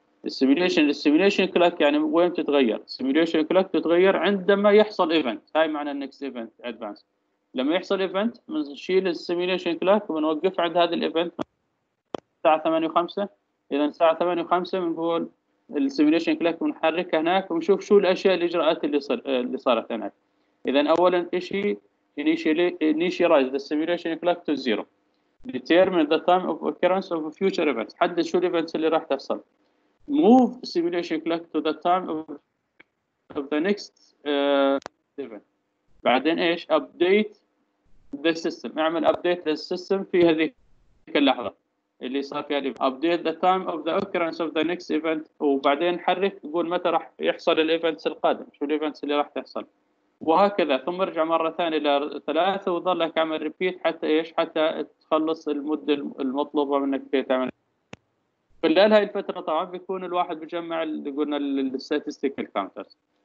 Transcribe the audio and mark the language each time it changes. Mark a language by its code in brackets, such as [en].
[ar] السيميليشن كلاك يعني وين تتغير. السيميليشن كلاك تتغير عندما يحصل ايفنت، هاي معنى النكست ايفنت ادفانس. لما يحصل ايفنت بنشيل السيميليشن كلاك وبنوقف عند هذا الايفنت الساعه 8:05. اذا الساعه 8:05 بنقول السيميليشن كلاك بنحركه هناك ونشوف شو الاشياء الاجراءات اللي صارت هناك. اذا اولا شيء [en] initialize the simulation clock to zero. Determine the time of occurrence of future events. [ar] حدد شو الايفنتس اللي راح تحصل. [en] Move the simulation clock to the time of the next event. [ar] بعدين ايش؟ [en] Update the system. [ar] اعمل [en] update the system [ar] في هذه اللحظة اللي صار فيها الايفنت. [en] Update the time of the occurrence of the next event. [ar] وبعدين حرك، قول متى راح يحصل الايفنتس القادم، شو الايفنتس اللي راح تحصل. وهكذا، ثم ارجع مره ثانيه الى 3 وظلك عمل ريبيت حتى ايش؟ حتى تخلص المده المطلوبه منك تعمل. خلال هاي الفتره طبعا بيكون الواحد بجمع اللي قلنا الستاتستيكال كاونترز.